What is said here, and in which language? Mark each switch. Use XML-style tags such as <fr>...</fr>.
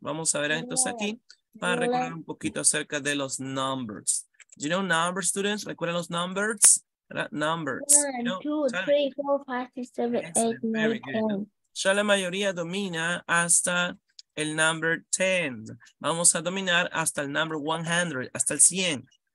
<es>Vamos a ver entonces aquí para recordar un poquito acerca de los numbers.</es> <en>You know numbers, students?</en> <es>¿Recuerdan los numbers? ¿Verdad?</es> <en>Numbers. One, you know, two, three, four, five, six, seven, yes, eight, very nine, good, ten.</en> <es>¿No? Ya la mayoría domina hasta el number 10. Vamos a dominar hasta el number 100, hasta el 100.</es>